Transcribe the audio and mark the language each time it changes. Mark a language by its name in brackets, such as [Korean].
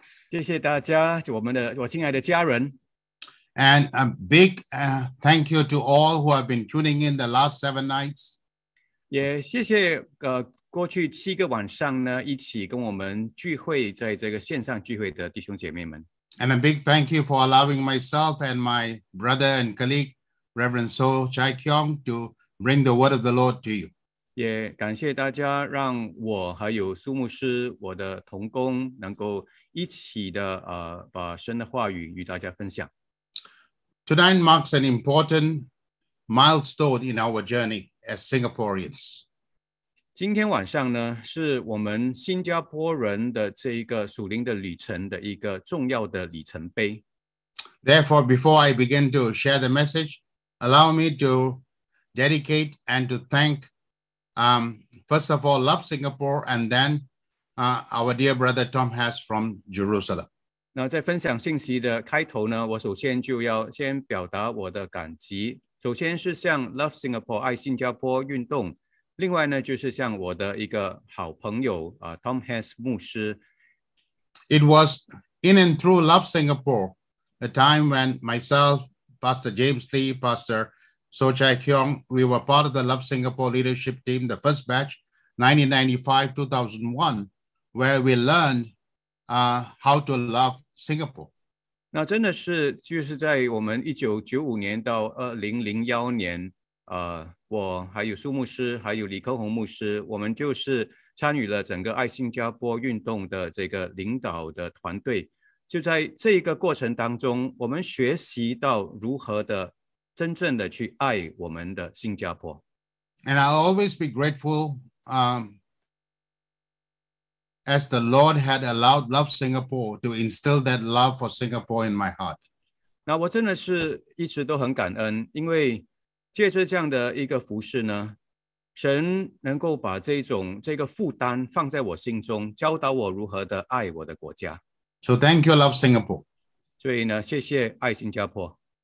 [Chinese] 谢谢大家，我们的我亲爱的家人。 [English] And a big thank you to all who have been tuning in the last seven nights. [Chinese] 也谢谢过去七个晚上呢，一起跟我们聚会在这个线上聚会的弟兄姐妹们。 [English] And a big thank you for allowing myself and my brother and colleague, Reverend So Chai Kyong, to bring the word of the Lord to you. [Chinese] 也感谢大家让我还有苏牧师我的同工能够一起的把神的话语与大家分享。 [English] Tonight marks an important milestone in our journey as Singaporeans. [Chinese] 今天晚上呢，是我们新加坡人的这一个属灵的旅程的一个重要的里程碑。 [English] Therefore, before I begin to share the message, allow me to dedicate and to thank, first of all, Love Singapore, and then our dear brother Tom Hass from Jerusalem. [Chinese] 那在分享信息的开头呢，我首先就要先表达我的感激，首先是向 Love Singapore 爱新加坡运动。另外呢，就是像我的一个好朋友Tom Hass 牧师。 [English] It was in and through Love Singapore, a time when myself, Pastor James Lee, Pastor So Chai Kyong, we were part of the Love Singapore leadership team, the first batch, 1995-2001, where we learned how to love Singapore. [Chinese] 那真的是就是在我们1995年到2001年我还有苏牧师还有李克宏牧师我们就是参与了整个爱新加坡运动的这个领导的团队就在这个过程当中我们学习到如何的真正的去爱我们的新加坡 [English] And I'll always be grateful as the Lord had allowed Love Singapore to instill that love for Singapore in my heart [Chinese] 那我真的是一直都很感恩因为借着这样的一个服事呢，神能够把这个负担放在我心中，教导我如何的爱我的国家。 [English] So thank you, Love Singapore. [Chinese] 所以呢，谢谢爱新加坡。